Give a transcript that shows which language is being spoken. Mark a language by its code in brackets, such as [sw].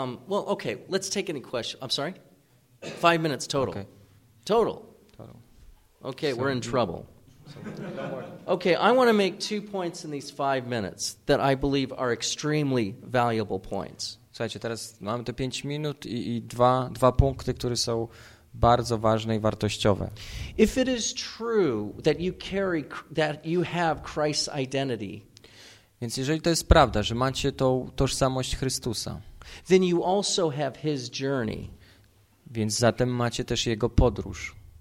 [en] okay, let's take any question. I'm sorry. 5 minutes total. Okay. Total. Total. Okay, so we're in trouble. Okay, I want to make 2 points in these 5 minutes that I believe are extremely valuable points. [pl] Słuchajcie, teraz mamy te 5 minut i dwa punkty, które są bardzo ważne i wartościowe. [en] If it is true that you carry, that you have Christ's identity, [pl] więc jeżeli to jest prawda, że macie tą tożsamość Chrystusa, [en] then you also have his journey. [pl] Więc zatem macie też jego podróż.